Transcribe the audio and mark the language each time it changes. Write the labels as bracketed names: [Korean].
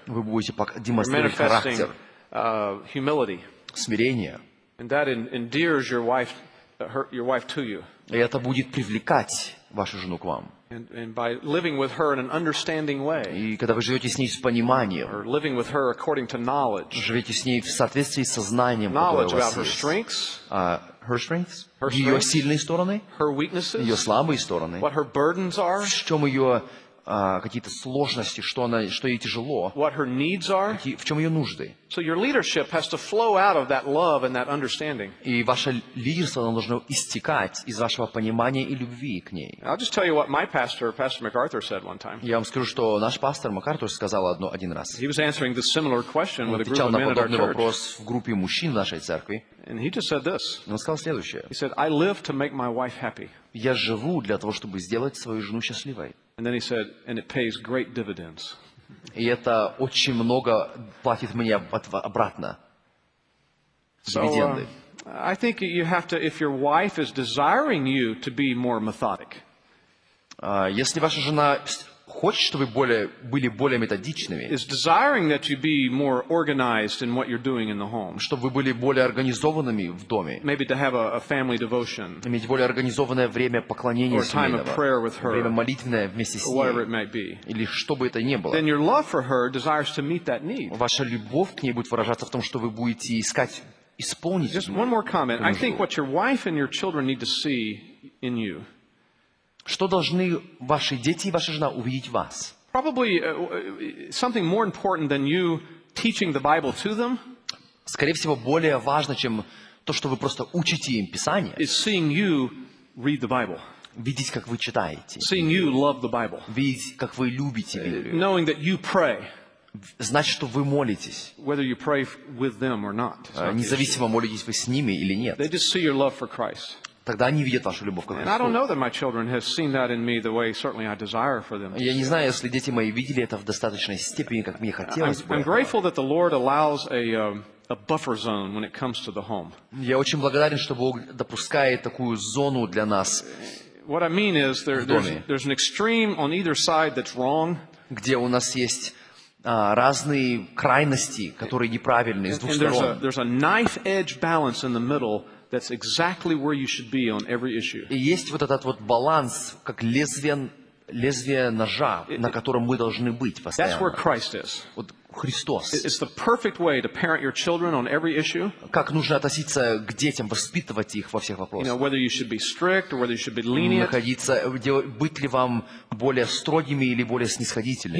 [Russian] Вы будете демонстрировать характер. [English] Humility. [Russian] Смирение. [English] And that endears your wife to you. [Russian] И это будет привлекать вашу жену к вам. [English] And by living with her in an understanding way. [Russian] И когда вы живете с ней с пониманием. [English] Or living with her according to knowledge. [Russian] Живете с ней в соответствии со знанием. [English] Knowledge about her strengths. Her strengths, [Russian] ее сильные стороны, [English] her weaknesses, [Russian] ее слабые стороны, [English] what her burdens are, [Russian] в чем ее какие-то сложности, что ей тяжело, [English] what her needs are, [Russian] в чем ее нужды. [English] So your leadership has to flow out of that love and that understanding. [Russian] И ваше лидерство должно истекать из вашего понимания и любви к ней. [English] I'll just tell you what my pastor, Pastor MacArthur, said one time. [Russian] Я вам скажу, что наш пастор MacArthur сказал один раз. [English] He was answering this similar question with a group of men in our church. [Russian] Он отвечал на подобный вопрос в группе мужчин в нашей церкви. [English] And he just said this. [Russian] Он сказал следующее. [English] He said, "I live to make my wife happy." [Russian] Я живу для того, чтобы сделать свою жену счастливой. [English] And then he said, "And it pays great dividends." [Russian] И это очень много платит мне обратно. Дивиденды. [English] I think you have to, if your wife is desiring you to be more methodic. [Russian] Если ваша жена хочет, чтобы вы были более методичными. [English] Is desiring that you be more organized in what you're doing in the home. [Russian] Чтобы вы были более организованными в доме. [English] Maybe to have a family devotion. [Russian] Иметь более организованное время поклонения семейного. [English] Or time of prayer with her. [Russian] Время молитвенное вместе с ней. [English] Whatever it might be. [Russian] Или что бы это ни было. [English] Then your love for her desires to meet that need. [Russian] Ваша любовь к ней будет выражаться в том, что вы будете искать исполнить. [English] Just one more comment. I think what your wife and your children need to see in you. [Russian] Что должны ваши дети и ваша жена увидеть в вас? [English] Probably something more important than you teaching the Bible to them. [Russian] Скорее всего, более важно, чем то, что вы просто учите им Писание. [English] Is seeing you read the Bible. [Russian] Видеть, как вы читаете. [English] Seeing you love the Bible. [Russian] Видеть, как вы любите Библию. [English] Knowing that you pray. [Russian] Значит, что вы молитесь. [English] Whether you pray with them or not. [Russian] Независимо, молитесь вы с ними или нет. [English] They just see your love for Christ. [Russian] Тогда они видят вашу любовь к Христу. [English] I don't know that my children have seen that in me the way certainly I desire for them. [Russian] Я не знаю, если дети мои видели это в достаточной степени, как мне хотелось бы. [English] I'm grateful that the Lord allows a buffer zone when it comes to the home. [Russian] Я очень благодарен, что Бог допускает такую зону для нас. [English] What I mean is there's an extreme on either side that's wrong. [Russian] Где у нас есть разные крайности, которые неправильны с двух сторон. [English] There's a knife edge balance in the middle. That's exactly where you should be on every issue. [Russian] И есть вот этот вот баланс, как лезвие ножа, на котором мы должны быть постоянно. [English] That's where Christ is. [Russian] Вот Христос. [English] It's the perfect way to parent your children on every issue. [Russian] Как нужно относиться к детям, воспитывать их во всех вопросах. [English] You know, whether you should be strict or whether you should be lenient. [Russian] Находиться, быть ли вам более строгими или более снисходительными.